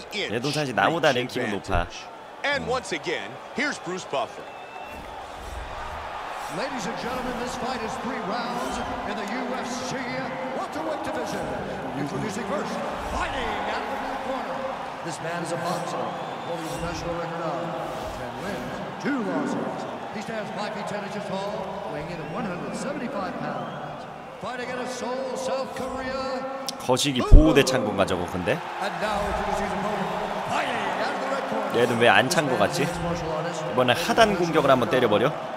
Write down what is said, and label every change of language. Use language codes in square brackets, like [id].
[ko] 얘도 사실 나보다 랭킹은 높아. [en] And once again, here's Bruce Buffer. Ladies and gentlemen, this fight is three rounds in the UFC welterweight division. Introducing first, fighting out of the blue corner. This man is a boxer, holding a national record of 10 wins, 2 losses. He stands 5 feet 10 inches tall, weighing in at 175 pounds. Fighting out of Seoul, South Korea. [ko] 거시기 보호대 찬 건가 저거 근데? [en] And now introducing his opponent, fighting out of the red corner. [ko] 얘는 왜 안 찬 거 같지? 이번에 하단 공격을 한번 때려버려.